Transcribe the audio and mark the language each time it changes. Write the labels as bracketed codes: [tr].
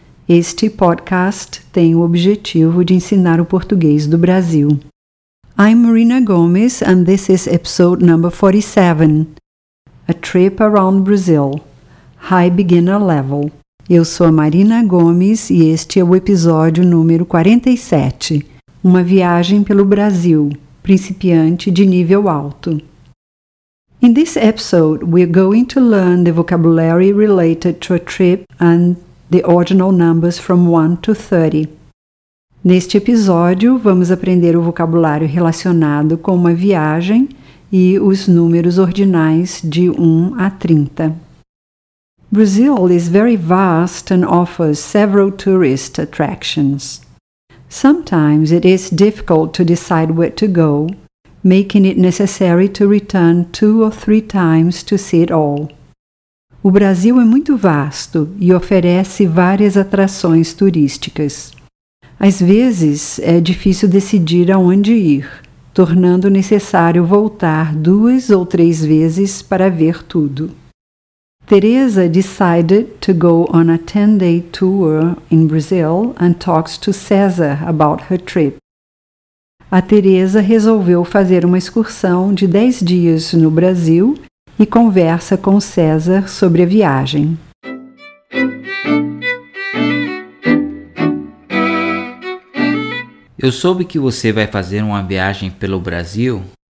[pt] Este podcast tem o objetivo de ensinar o português do Brasil. [en] I'm Marina Gomes, and this is episode number 47, A Trip Around Brazil, High Beginner Level. [pt] Eu sou a Marina Gomes e este é o episódio número 47, Uma Viagem pelo Brasil, Principiante de Nível Alto. [en] In this episode, we're going to learn the vocabulary related to a trip and the ordinal numbers from 1 to 30. [pt] Neste episódio, vamos aprender o vocabulário relacionado com uma viagem e os números ordinais de 1 a 30. [en] Brazil is very vast and offers several tourist attractions. Sometimes it is difficult to decide where to go, making it necessary to return 2 or 3 times to see it all. [pt] O Brasil é muito vasto e oferece várias atrações turísticas. Às vezes, é difícil decidir aonde ir, tornando necessário voltar 2 or 3 vezes para ver tudo. [en] Teresa decided to go on a 10-day tour in Brazil and talks to César about her trip. [pt] A Teresa resolveu fazer uma excursão de 10 dias no Brasil e conversa com César sobre a viagem. Eu soube que você vai fazer uma viagem pelo Brasil.